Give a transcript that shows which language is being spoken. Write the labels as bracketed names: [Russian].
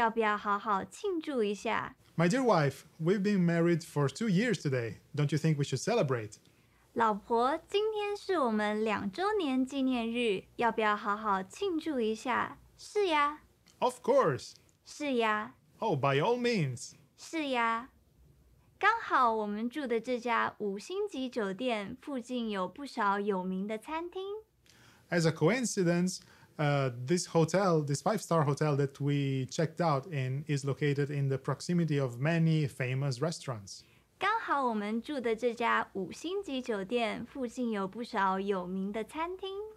[Chinese] 老婆，今天是我们2周年纪念日，要不要好好庆祝一下？ [English] My dear wife, we've been married for 2 years today. Don't you think we should celebrate? [Chinese] 老婆，今天是我们2周年纪念日，要不要好好庆祝一下？是呀。 [English] Of course. [Chinese] 是呀。 [English] Oh, by all means. [Chinese] 是呀。刚好我们住的这家五星级酒店附近有不少有名的餐厅。 [English] As a coincidence, this hotel, this five-star hotel that we checked out in, is located in the proximity of many famous restaurants. [Chinese] 刚好我们住的这家五星级酒店附近有不少有名的餐厅。